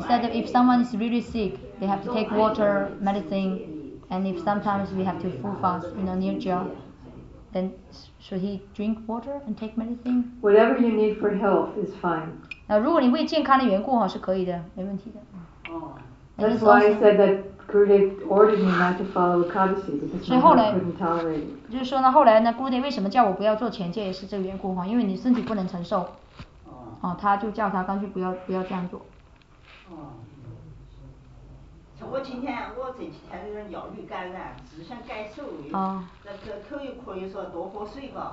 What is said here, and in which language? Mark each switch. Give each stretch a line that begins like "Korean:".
English: He said if someone is really sick, they have to take water, medicine, and if sometimes we have to full fast in a near jail, then should he drink water and take medicine? Whatever you need for health is fine.
Chinese: 如果你为健康的缘故是可以的，没问题的。哦。
English: That's why I said that Gurudev ordered me not to follow Ekadasi because my body couldn't tolerate it.
Chinese: 就是说呢，后来呢 ，Gurudev 为什么叫我不要做前戒，也是这个缘故哈，因为你身体不能承受。哦，他就叫他干脆不要这样做。哦，像我今天我这几天有点腰椎感染，之前感受有，那个头一可以说多喝水吧。